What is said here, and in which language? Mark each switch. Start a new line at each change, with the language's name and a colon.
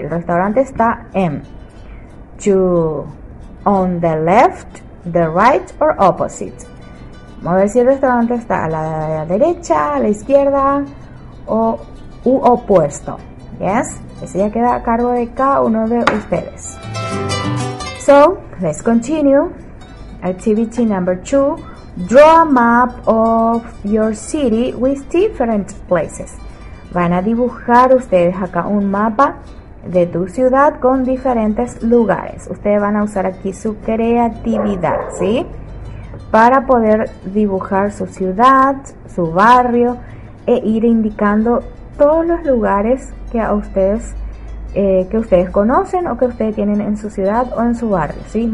Spanish: El restaurante está en.
English: To on the left, the right or opposite.
Spanish: Vamos a ver si el restaurante está a la derecha, a la izquierda o u opuesto.
English: Yes.
Spanish: Ese ya queda a cargo de cada uno de ustedes.
English: So, let's continue. Activity number 2. Draw a map of your city with different places.
Spanish: Van a dibujar ustedes acá un mapa de tu ciudad con diferentes lugares. Ustedes van a usar aquí su creatividad, ¿sí? Para poder dibujar su ciudad, su barrio e ir indicando todos los lugares que a ustedes que ustedes conocen o que ustedes tienen en su ciudad o en su barrio, ¿sí?